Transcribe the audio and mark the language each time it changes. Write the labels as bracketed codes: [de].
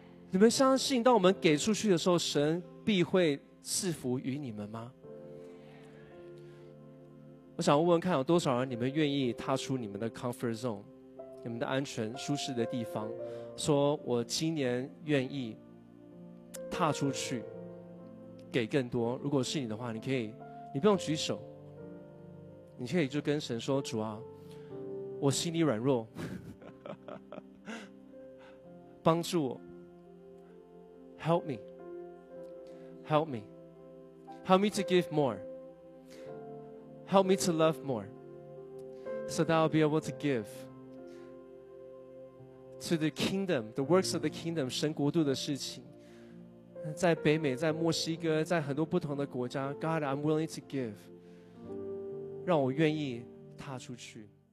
[zh] 你们相信，当我们给出去的时候，神必会赐福于你们吗？我想问问看，有多少人你们愿意踏出你们的 comfort zone， 你们的安全舒适的地方，说我今年愿意踏出去给更多。如果是你的话，你可以，你不用举手，你可以就跟神说，主啊，我心里软弱，帮助我， [en] help me， help me， help me to give more，Help me to love more, so that I'll be able to give to the kingdom, the works of the kingdom, [zh] 神国度的事情。在北美，在墨西哥，在很多不同的国家， [en] God, I'm willing to give. [zh] 让我愿意踏出去。